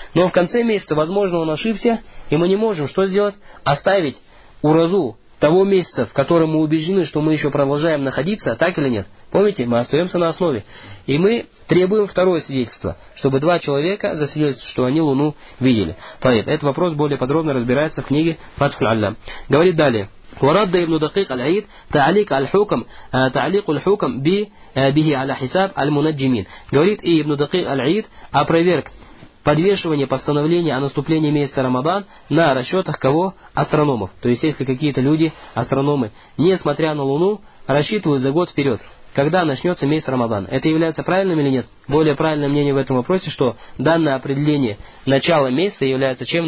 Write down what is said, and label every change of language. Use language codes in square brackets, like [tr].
[ru] Но в конце месяца, возможно, он ошибся, и мы не можем что сделать? Оставить уразу того месяца, в котором мы убеждены, что мы еще продолжаем находиться, так или нет? Помните, мы остаемся на основе. И мы требуем второе свидетельство, чтобы два человека засвидетельствовали, что они Луну видели. Тайб, этот вопрос более подробно разбирается в книге «Фатхуль Аллам». Говорит далее. [ar] ورد ابن دقيق العيد تعليق الحكم تعليق الحكم به على حساب المنجمين. [ru] Говорит и ابن دقيق العيد опроверг подвешивание постановления о наступлении месяца Рамадан на расчетах кого? Астрономов. То есть, если какие-то люди, астрономы, несмотря на Луну, рассчитывают за год вперед, когда начнется месяц Рамадан. Это является правильным или нет? Более правильное мнение в этом вопросе, что данное определение начала месяца является чем?